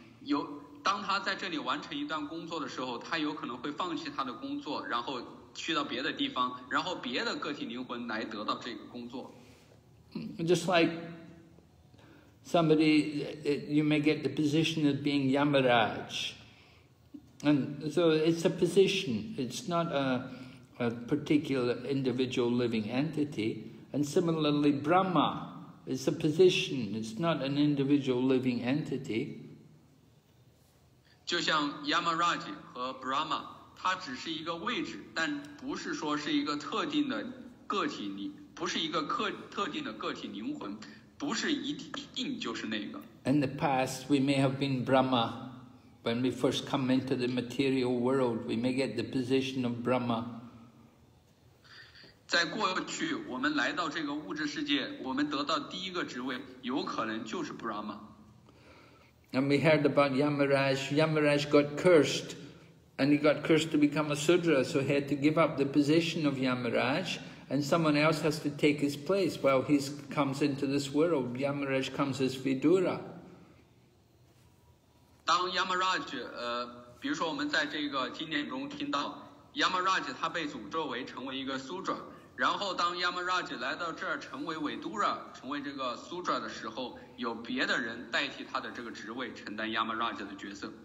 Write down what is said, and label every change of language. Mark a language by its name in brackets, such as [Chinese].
[Chinese] 有当她在这里完成一段工作的时候，她有可能会放弃她的工作，然后去到别的地方，然后别的个体灵魂来得到这个工作。 [English] Just like somebody, you may get the position of being Yamaraj, and so it's a position. It's not a particular individual living entity. And similarly, Brahma, it's a position. It's not an individual living entity. [Chinese] 就像 Yamaraj 和 Brahma。它只是一个位置，但不是说是一个特定的个体灵，不是一个特定的个体灵魂，不是一定就是那个。 [English] In the past, we may have been Brahma. When we first come into the material world, we may get the position of Brahma. [Chinese] 在过去，我们来到这个物质世界，我们得到第一个职位，有可能就是 Brahma. [English] And we heard about Yamaraj. Yamaraj got cursed. And he got cursed to become a Sudra, so he had to give up the position of Yamaraj, and someone else has to take his place while he comes into this world. Yamaraj comes as Vidura. [Chinese] 当 Yamaraj, 比如说我们在这个经典中听到 Yamaraj 他被诅咒为成为一个 Sudra, 然后当 Yamaraj 来到这儿成为 Vidura, 成为这个 Sudra 的时候，有别的人代替他的这个职位，承担 Yamaraj 的角色。